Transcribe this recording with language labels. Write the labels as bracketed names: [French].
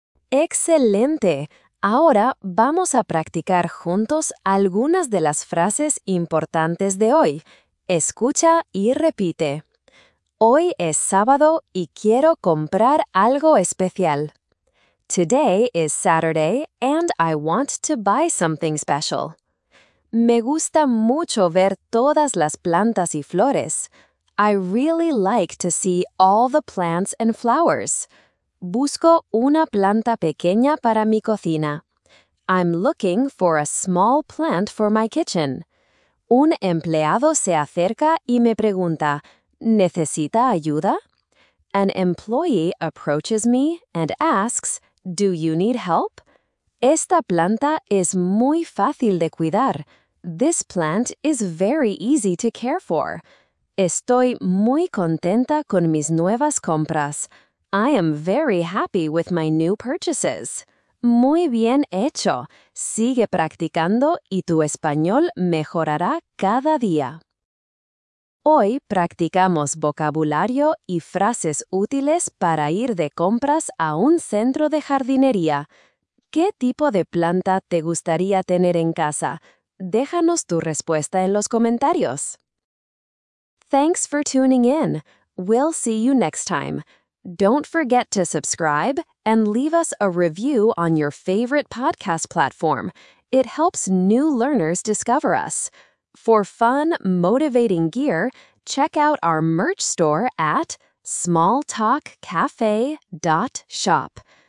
[Spanish] ¡Excelente! Ahora vamos a practicar juntos algunas de las frases importantes de hoy. Escucha y repite. Hoy es sábado y quiero comprar algo especial. [English] Today is Saturday and I want to buy something special. [Spanish] Me gusta mucho ver todas las plantas y flores. [English] I really like to see all the plants and flowers. [Spanish] Busco una planta pequeña para mi cocina. [English] I'm looking for a small plant for my kitchen. [Spanish] Un empleado se acerca y me pregunta, ¿necesita ayuda? [English] An employee approaches me and asks, do you need help? [Spanish] Esta planta es muy fácil de cuidar. [English] This plant is very easy to care for. [Spanish] Estoy muy contenta con mis nuevas compras. [English] I am very happy with my new purchases. [Spanish] Muy bien hecho. Sigue practicando y tu español mejorará cada día. Hoy practicamos vocabulario y frases útiles para ir de compras a un centro de jardinería. ¿Qué tipo de planta te gustaría tener en casa? Déjanos tu respuesta en los comentarios. [English] Thanks for tuning in. We'll see you next time. Don't forget to subscribe and leave us a review on your favorite podcast platform. It helps new learners discover us. For fun, motivating gear, check out our merch store at smalltalkcafe.shop.